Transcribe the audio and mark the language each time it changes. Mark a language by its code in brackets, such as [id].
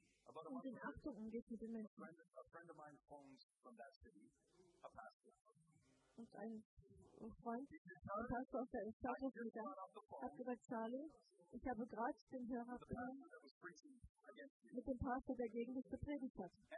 [de] Und in Achtung umgeht mit den Menschen. [en] A friend of mine phones from that city, a pastor. [de] Und ein Freund, ein Pastor aus der Stadt, hat gesagt, Charlie, ich habe gerade den Hörer bekommen mit dem Pastor, der gegen dich gepredigt hat.